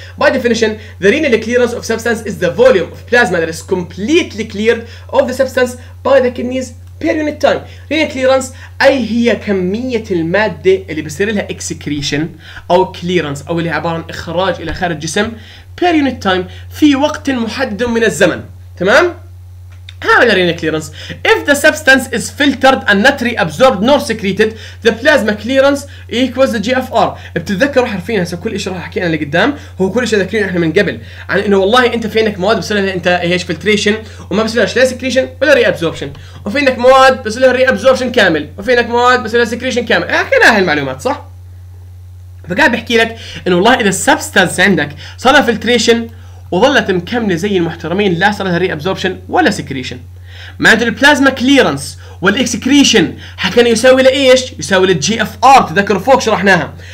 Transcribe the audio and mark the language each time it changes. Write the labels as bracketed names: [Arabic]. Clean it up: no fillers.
[English] By definition the renal clearance of substance is the volume of plasma that is completely cleared of the substance by the kidneys per unit time. [Arabic] رينال كليرانس اي هي كميه الماده اللي بيصير لها اكسكريشن او كليرانس او اللي عباره عن اخراج الى خارج الجسم بير يونت تايم في وقت محدد من الزمن. تمام. [English] How is renal clearance? If the substance is filtered and not reabsorbed nor secreted, the plasma clearance equals the GFR. [Arabic] بتتذكروا حرفين هسا كل إشي راح أحكي أنا لقدام هو كل إشي ذكرين إحنا من قبل عن إنه والله أنت في عندك مواد بسلها أنت إيش filtration وما بسلها لا secretion ولا reabsorption وفي عندك مواد بسلها reabsorption كامل وفي عندك مواد بسلها secretion كامل. أحكي لها هالمعلومات صح؟ فقاعد بحكي لك إنه والله إذا substance عندك صار filtration وظلت مكملة زي المحترمين لا صار لها reabsorption ولا secretion معناته البلازما كليرنس والاكسكريشن حكينا يساوي لايش؟ يساوي للجي اف ار تذكروا فوق شرحناها.